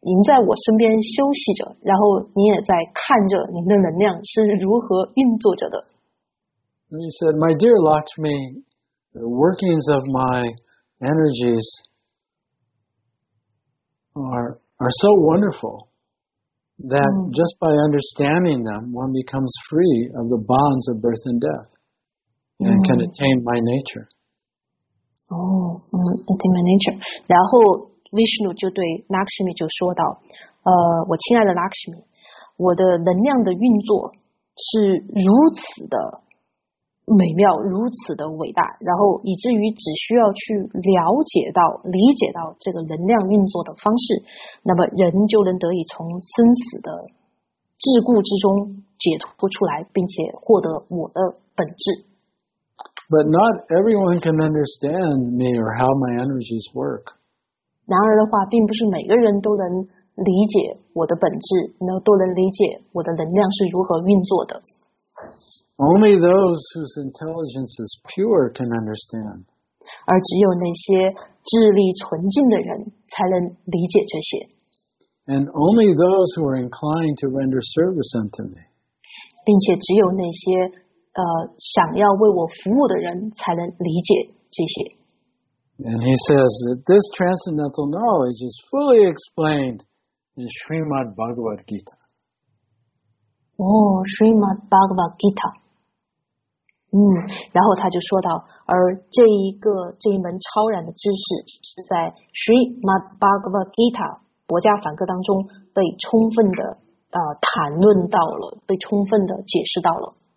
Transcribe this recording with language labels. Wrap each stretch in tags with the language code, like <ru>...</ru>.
<zh>您在我身边休息着，然后您也在看着您的能量是如何运作着的。</zh> <en>He said, "My dear Lakshmi, the workings of my energies are so wonderful that just by understanding them, one becomes free of the bonds of birth and death and can attain my nature." Attain my nature.</en> <zh>然后 Vishnu 就对 Lakshmi 就说道，我亲爱的 Lakshmi, 我的能量的运作是如此的美妙，如此的伟大，然后以至于只需要去了解到、理解到这个能量运作的方式，那么人就能得以从生死的桎梏之中解脱出来，并且获得我的本质。</zh> <en>But not everyone can understand me or how my energies work.</en> <zh>然而的话，并不是每个人都能理解我的本质，然后都能理解我的能量是如何运作的。</zh> <en>Only those whose intelligence is pure can understand.</en> <zh>而只有那些智力纯净的人才能理解这些。</zh> <en>And only those who are inclined to render service unto me.</en> <zh>并且只有那些想要为我服务的人才能理解这些。</zh> <en>And he says that this transcendental knowledge is fully explained in Srimad Bhagavad Gita.</en> <zh>Srimad Bhagavad Gita. 然后他就说到，而这一门超然的知识是在 Srimad Bhagavad Gita 博迦梵歌当中被充分的谈论到了，被充分的解释到了。</zh>